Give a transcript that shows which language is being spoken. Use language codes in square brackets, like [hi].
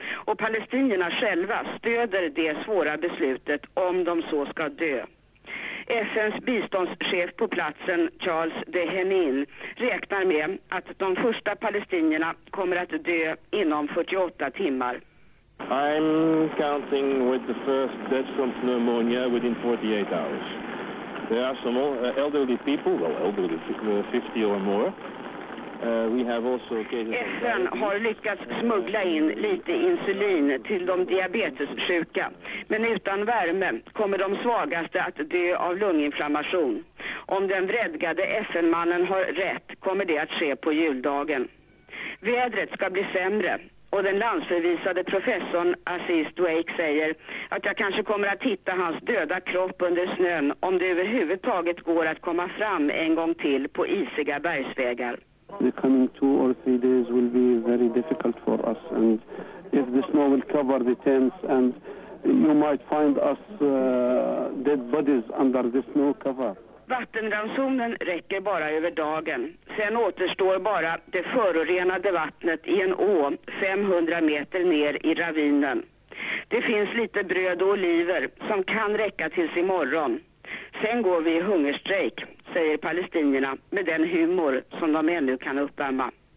[sv] Och palestinierna själva stöder det svåra beslutet om de så ska dö. FNs biståndschef på platsen, Charles de Henin, räknar med att de första palestinierna kommer att dö inom 48 timmar. [en] I'm counting with the first death from pneumonia within 48 hours. There are some elderly people, well elderly, 50 or more. [sv] FN har lyckats smuggla in lite insulin till de diabetessjuka. Men utan värme kommer de svagaste att dö av lunginflammation. Om den vredgade FN-mannen har rätt kommer det att ske på juldagen. Vädret ska bli sämre. Och den landsförvisade professorn Aziz Dweik säger att jag kanske kommer att hitta hans döda kropp under snön om det överhuvudtaget går att komma fram en gång till på isiga bergsvägar. [en] The coming two or three days will be very difficult for us, and if the snow will cover the tents and you might find us dead bodies under the snow cover. [sv] Vattenransonen räcker bara över dagen. Sen återstår bara det förorenade vattnet i en å 500 meter ner i ravinen. Det finns lite bröd och oliver som kan räcka tills imorgon. Sen går vi i hungerstrejk, säger palestinierna med den humor som de ännu kan uppvärma.